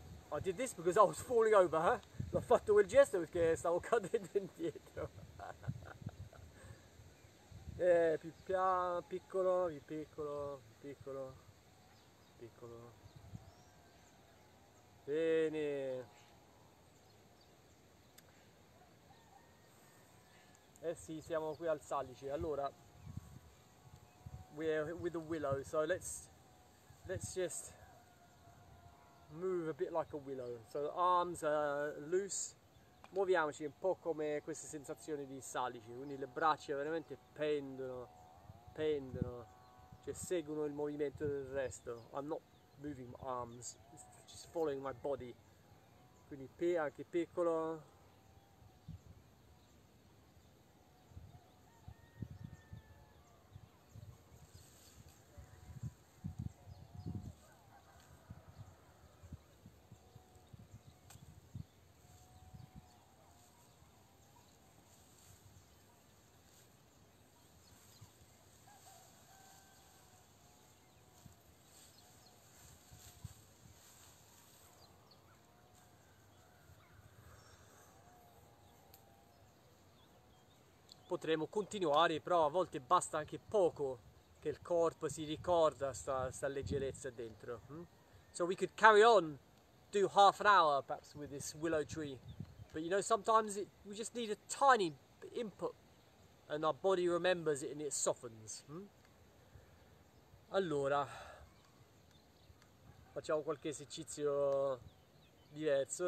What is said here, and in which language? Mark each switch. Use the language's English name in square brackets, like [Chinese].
[English] I did this because I was falling over, eh? [Italian] L'ho fatto quel gesto perché stavo cadendo indietro. più piano, piccolo, più piccolo, più piccolo, piccolo. Bene. Eh sì, siamo qui al Salice. [English] Allora, we're with the willow, so let's just move a bit like a willow, so the arms are loose. [Italian] Muoviamoci un po' come queste sensazioni di salice, quindi le braccia veramente pendono, pendono, cioè seguono il movimento del resto. [English] I'm not moving my arms, it's just following my body. [Italian] Quindi anche piccolo. Potremmo continuare, però a volte basta anche poco che il corpo si ricorda sta leggerezza dentro. [English] So we could carry on, do half an hour perhaps with this willow tree. But you know, sometimes we just need a tiny input and our body remembers it and it softens. [Italian] Allora, facciamo qualche esercizio diverso.